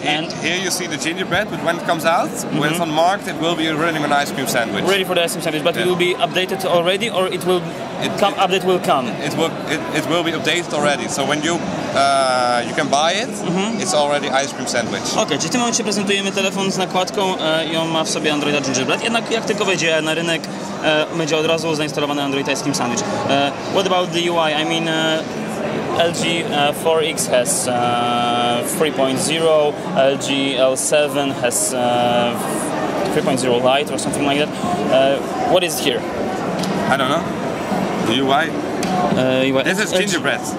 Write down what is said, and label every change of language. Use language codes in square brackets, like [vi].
[en] Here you see the gingerbread, but when it comes out, when it's unmarked, it will be running an ice cream sandwich. Ready for the ice cream sandwich, but it will be updated already, or it will update will come? It will be updated already, so when you can buy it, it's already ice cream sandwich. [pl] Okay, czyli w tym momencie prezentujemy telefon z nakładką i on ma w sobie Androida Gingerbread. Jednak jak tylko wejdzie na rynek, będzie od razu zainstalowany Android Ice Cream Sandwich. [en] What about the UI? I mean, LG 4X has 3.0, LG L7 has 3.0 Lite or something like that. What is it here? I don't know. The UI? This is gingerbread.